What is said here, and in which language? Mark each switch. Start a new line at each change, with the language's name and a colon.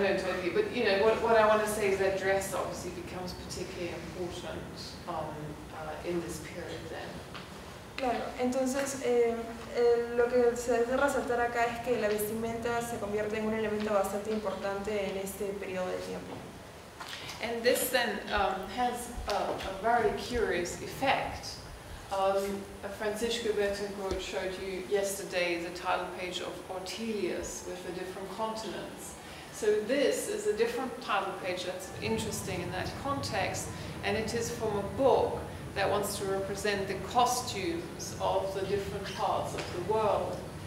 English: I don't tell you, but you know what I want to say is that dress obviously becomes particularly important in this period. Then,
Spanish: claro. Entonces, lo que se debe resaltar acá es que la vestimenta se convierte en un elemento bastante importante en este periodo de tiempo.
English: And this then has a very curious effect. Francisco Bethencourt showed you yesterday the title page of Ortelius with the different continents. So this is a different title page that's interesting in that context, and it is from a book that wants to represent the costumes of the different parts of the world.